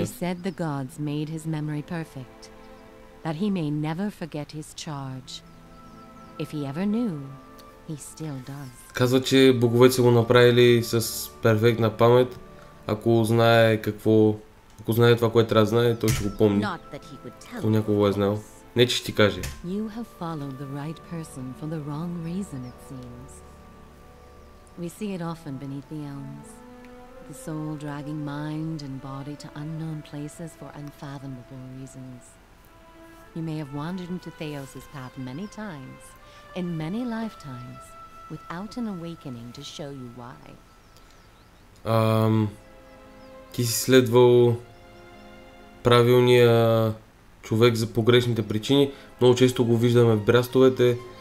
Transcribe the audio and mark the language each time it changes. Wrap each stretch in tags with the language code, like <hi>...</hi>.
<en>It is said the gods made his memory perfect, that he may never forget his charge. If he ever knew, he still does.</en> <bg>Казва, че боговете са го направили с перфектна памет. Ако знае какво... Ако знае това, което трябва да знае, той ще го помни.</bg> <en>Not that he would tell.</en> <bg>Ако някого е знал. Не, че ще ти каже.</bg> <en>You have followed the right person for the wrong reason, it seems. We see it often beneath the elms. The soul dragging mind and body to unknown places for unfathomable reasons. You may have wandered into Theos's path many times, in many lifetimes, without an awakening to show you why.</en> <bg>Ти си следвал правилния човек за погрешните причини. Много често го виждаме в брястовете.</bg>